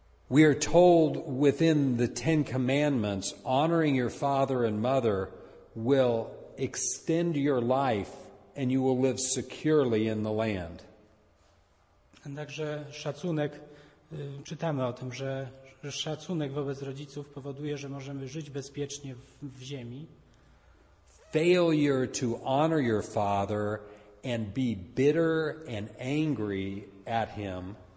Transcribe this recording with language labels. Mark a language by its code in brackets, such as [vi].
[en] We are told within the Ten Commandments, honoring your father and mother will extend your life and you will live securely in the land. [pl] Także szacunek, czytamy o tym, że szacunek wobec rodziców powoduje, że możemy żyć bezpiecznie w ziemi. [en] Failure to honor your father and be bitter and angry at him.